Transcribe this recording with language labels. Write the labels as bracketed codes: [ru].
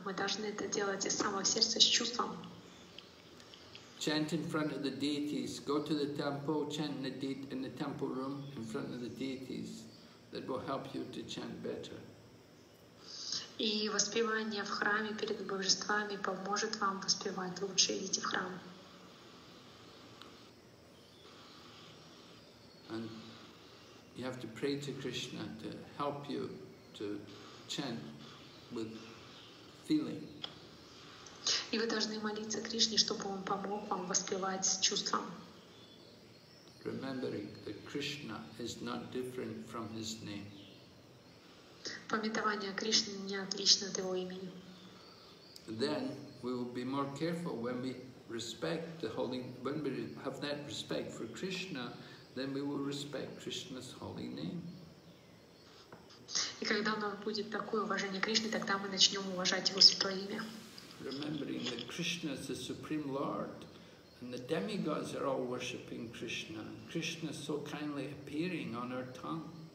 [ru] Мы должны это делать из самого сердца, с чувством. [en] Chant in front of the deities. Go to the temple, chant in the temple room in front of the deities. That will help you to chant better. [ru] И воспевание в храме перед божествами поможет вам воспевать лучше. Идите в храм. [en] And you have to pray to Krishna to help you to chant with feeling. [ru] И вы должны молиться Кришне, чтобы он помог вам воспевать с чувством. [en] Remembering that Krishna is not different from his name. [ru] Памятование Кришны не отлично от его имени. [en] Then we will be more careful when we respect the holy, when we have that respect for Krishna. Then we will respect Krishna's holy name. [ru] И когда у нас будет такое уважение Кришне, тогда мы начнем уважать его святое имя. [en] Remembering that Krishna is the supreme Lord, and the demigods are all worshiping Krishna. Krishna is so kindly appearing on our tongue.